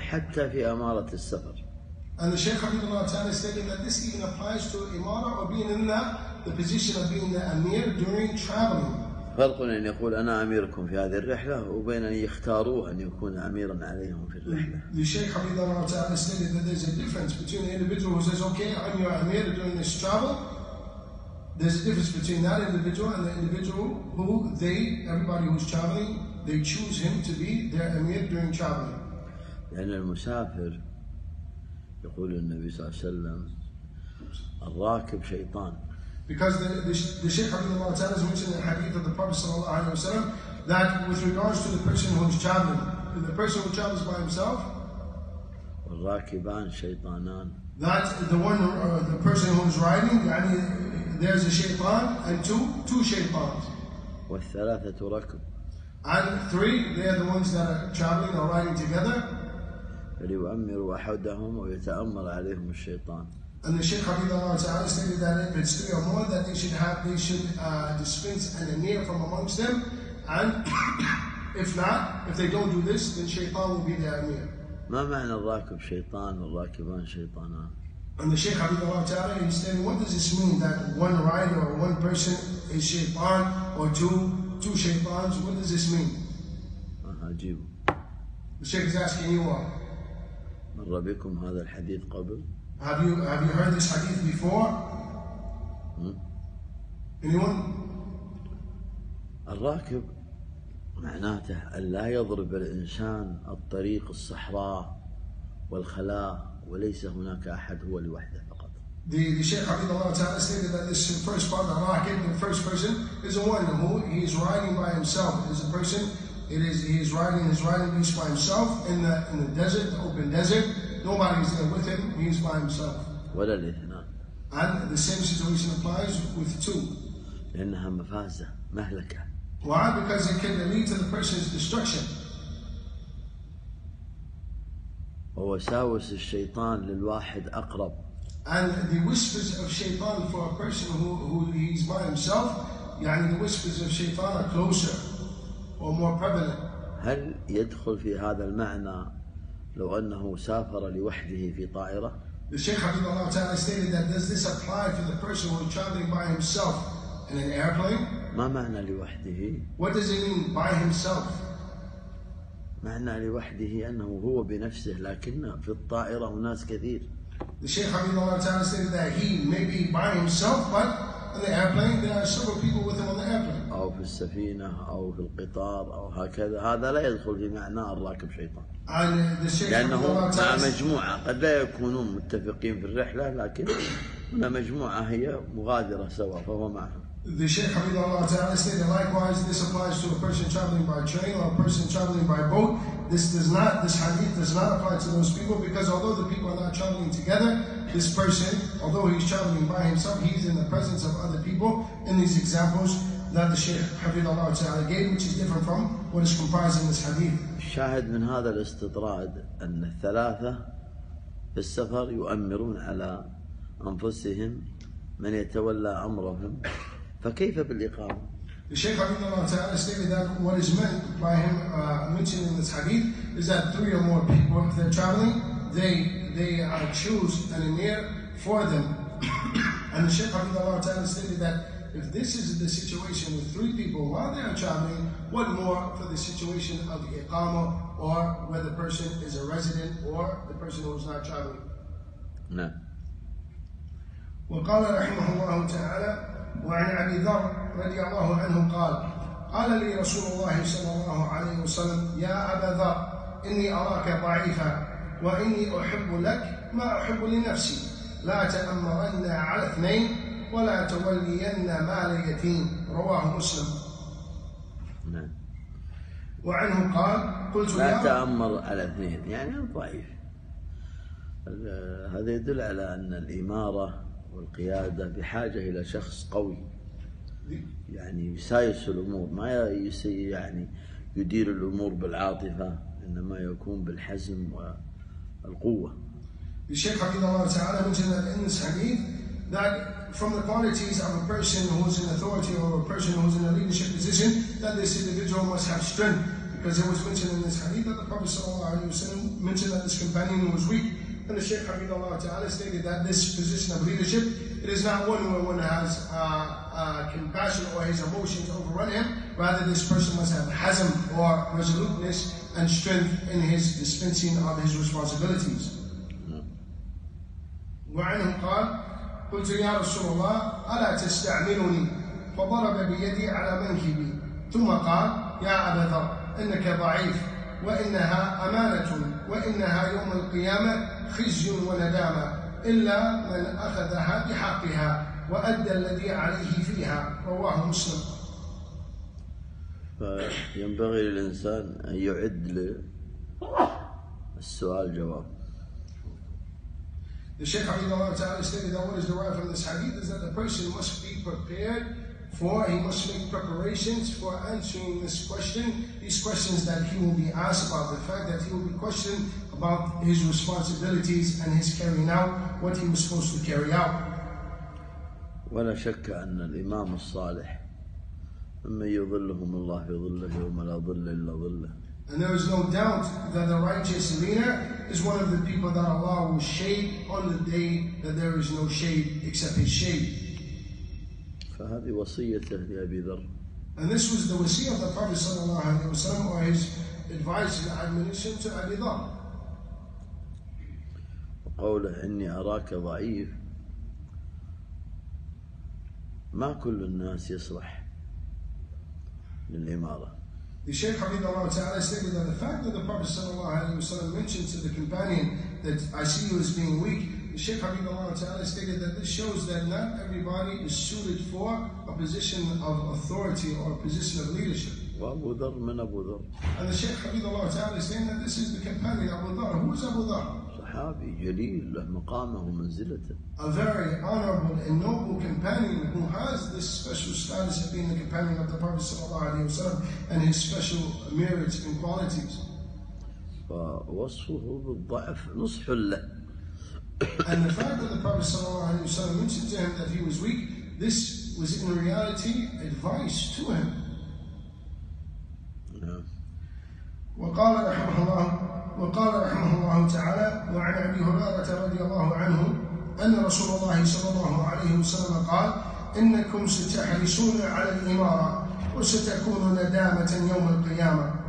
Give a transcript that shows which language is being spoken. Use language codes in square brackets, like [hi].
[ar] حتى في أمارة السفر. [en] And the Shaykh [ar] حفظه الله تعالى [en] stated that this even applies to إمارة or being in the position of being the Amir during traveling. [ar] فرق أن يقول أنا أميركم في هذه الرحلة وبين أن يختاروا أن يكون أميرا عليهم في الرحلة. [en] The Shaykh [ar] حفظه الله تعالى [en] stated that there's a difference between the individual who says okay I'm your Amir during this travel. There's a difference between that individual and the individual who everybody who's traveling, they choose him to be their Amir during traveling. [ar] لأن المسافر يقول النبي صلى الله عليه وسلم الراكب شيطان. [en] Because the Shaykh [ar] حفظه الله تعالى [en] has mentioned in the hadith of the Prophet [ar] صلى الله عليه وسلم [en] that with regards to the person who is traveling, the person who travels by himself, [ar] والراكبان شيطانان. [en] That the one the person who is riding, يعني there's a shaytan and two shaytans. [ar] والثلاثة ركب. [en] And three, they are the ones that are traveling or riding together. [ar] فليؤمر أحدهم ويتأمر عليهم الشيطان. [en] And the Shaykh [ar] حفظه الله تعالى [en] stated that if it's three or more that they should dispense an emir from amongst them, and if not, if they don't do this, then shaytan will be their emir. [ar] ما معنى الراكب شيطان والراكبان شيطانان؟ [en] And the Shaykh [ar] حفظه الله تعالى [en] is saying, what does this mean that one rider or one person is shaytan or two shaytans? What does this mean? [ar] عجيب. [en] The Shaykh is asking you what? [ar] مر بكم هذا الحديث قبل؟ [en] Have you heard this hadith before? Anyone? [ar] الراكب معناته ألا يضرب الإنسان الطريق الصحراء والخلاء وليس هناك أحد هو لوحده فقط. [en] The Shaykh [ar] حفظه الله تعالى [en] stated that this first part of الراكب, the first person, is the one who he is riding by himself. Is a person. It is he is riding his riding beast by himself in the desert, the open desert. Nobody's there with him, he's by himself. [ar] ولا الاثنان. [en] And the same situation applies with two. [ar] لأنها مفازة مهلكة. [en] Why? Because it can lead to the person's destruction. [ar] ووساوس الشيطان للواحد أقرب. [en] And the whispers of shaitan for a person who he's by himself, يعني the whispers of shaitan are closer or more prevalent. [ar] هل يدخل في هذا المعنى لو أنه سافر لوحده في طائرة؟ [en] The Shaykh [ar] حفظه الله تعالى [en] stated that does this apply to the person who is traveling by himself in an airplane? [ar] ما معنى لوحده؟ [en] What does he mean by himself? [ar] معنى لوحده أنه هو بنفسه لكن في الطائرة ناس كثير. [en] The Sheikh [ar] Habibullah al-Tahani [en] said that he may be by himself, but in the airplane there are several people with him on the airplane. [ar] أو في السفينة أو في القطار أو هكذا هذا لا يدخل في معنى الراكب شيطان. لأنه مع مجموعة قد لا يكونون متفقين في الرحلة لكن هنا مجموعة هي مغادرة سوا فهو معهم. [en] The Sheikh [ar] Hafidhullah Ta'ala [en] stated, likewise, this applies to a person traveling by train or a person traveling by boat. This hadith does not apply to those people because although the people are not traveling together, this person, although he's traveling by himself, he's in the presence of other people in these examples that the Sheikh [ar] Hafidhullah Ta'ala [en] gave, which is different from what is comprised in this hadith. [ar] شاهد من هذا الاستطراد أن الثلاثة في السفر يؤمرون على أنفسهم من يتولى أمرهم فكيف بالإقامة؟ [en] The Sheikh [ar] Hafidhullah Ta'ala [en] stated that what is meant by him mentioning in this hadith is that three or more people, if they're traveling, they choose an emir for them. And the Sheikh [ar] Hafidhullah Ta'ala [en] stated that if this is the situation with three people while they are traveling, what more for the situation of iqama or where the person is a resident or the person who is not traveling? No. [ar] وقال رحمه الله تعالى وعن أبي ذر رضي الله عنه قال قال لي رسول الله صلى الله عليه وسلم يا أبا ذر إني أراك ضعيفا وإني أحب لك ما أحب لنفسي لا تأمرن على اثنين ولا تولين مال يتيم رواه مسلم. نعم. وعنه قال قلت لا تأمر على اثنين يعني ضعيف. هذا يدل على أن الإمارة والقيادة بحاجة إلى شخص قوي يعني يسايس الأمور ما يعني يدير الأمور بالعاطفة إنما يكون بالحزم والقوة. الشيخ حفظه الله تعالى [en] mentioned that in this hadith that from the qualities of a person who is in authority or a person who is in a leadership position that this individual must have strength because it was mentioned in this hadith that the Prophet [ar] صلى الله عليه وسلم [en] mentioned that this companion was weak. And the Shaykh [ar] Hafidhullah Ta'ala [en] stated that this position of leadership, it is not one where one has compassion or his emotions overrun him, rather this person must have hazm or resoluteness and strength in his dispensing of his responsibilities. [ar] وعنه قال قلت يا رسول الله ألا تستعملني فضرب بيدي على منكبي ثم قال يا أبا ذر إنك ضعيف وإنها أمانة وإنها يوم القيامة خزي وندامة إلا من أخذها بحقها وأدى الذي عليه فيها رواه مسلم. فينبغي للإنسان أن يعد للسؤال جواب. [en] The Shaykh [ar] Hafidhullah Ta'ala [en] stated that what is derived from this hadith is that the person must be prepared for, he must make preparations for answering this question, these questions that he will be asked about, the fact that he will be questioned about his responsibilities and his carrying out what he was supposed to carry out. [ar] ولا شك أن الإمام الصالح أما يظلهم الله يظله وما لا ظل إلا ظله. [en] And there is no doubt that the righteous leader is one of the people that Allah will shade on the day that there is no shade except his shade. [ar] فهذه وصيته لأبي ذر. [en] And this was the wasiyah of the Prophet [ar] صلى الله عليه وسلم [en] or his advice and admonition to Abi Dhar. [ar] وقوله إني أراك ضعيف ما كل الناس يصلح للإمارة. [en] The Shaykh [ar] Hafidhullah Ta'ala [en] stated that the fact that the Prophet [ar] صلى الله عليه وسلم [en] mentioned to the companion that I see you as being weak, the Shaykh Hafidhullah Ta'ala stated that this shows that not everybody is suited for a position of authority or a position of leadership. [ar] وَأَبُو ذَرْ مَنْ أَبُو ذَرْ. [en] And the Shaykh [ar] Hafidhullah Ta'ala [en] is saying that this is the companion Abu Dhar. Who is Abu Dhar? [ar] صحابي جليل له مقامه ومنزلته. [en] A very honorable and noble companion who has this special status of being the companion of the Prophet [ar] صلى الله عليه وسلم [en] and his special merits and qualities. [ar] فوصفه بالضعف نصح له. [en] And the fact that the Prophet [ar] صلى الله عليه وسلم [en] mentioned to him that he was weak, this was in reality advice to him. [ar] وقال رحمه الله تعالى وعن أبي هريرة رضي الله عنه أن رسول الله صلى الله عليه وسلم قال إنكم ستحرصون على الإمارة وستكون ندامة يوم القيامة.